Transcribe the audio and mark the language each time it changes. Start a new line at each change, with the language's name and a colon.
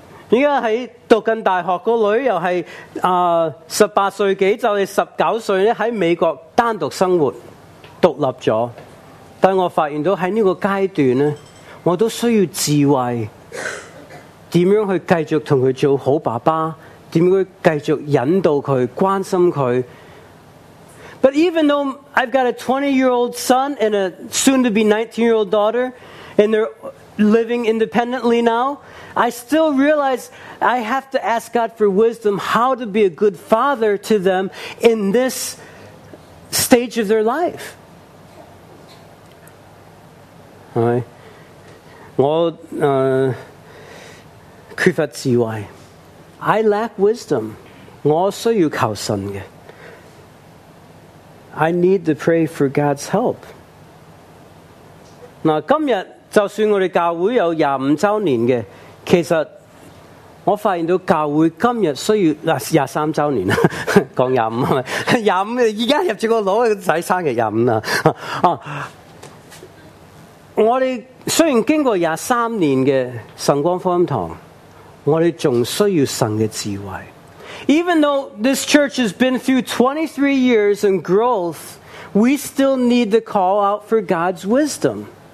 Cantonese: 现在在读近大学的女儿又是18岁几就是19岁在美国单独生活独立了。但我发现到在这个阶段我都需要智慧怎样去继续跟他做好爸爸。怎样继续引导他，关心他。
English: But even though I've got a 20-year-old son and a soon-to-be 19-year-old daughter, and they're living independently now, I still realize I have to ask God for wisdom how to be a good father to them in this stage of their life.
Cantonese: 是不是？我缺乏智慧。
English: I lack wisdom.
Cantonese: 我需要求神嘅。
English: I need to pray for God's help.
Cantonese: 今天, 就算我们教会有25周年的, 其实, 我发现到教会今天需要23周年, 说25, 现在入了脑, 虽然经过23年的神光福音堂, 我们还需要神的智慧。
English: Even though this church has been through 23 years in growth, we still need to call out for God's wisdom.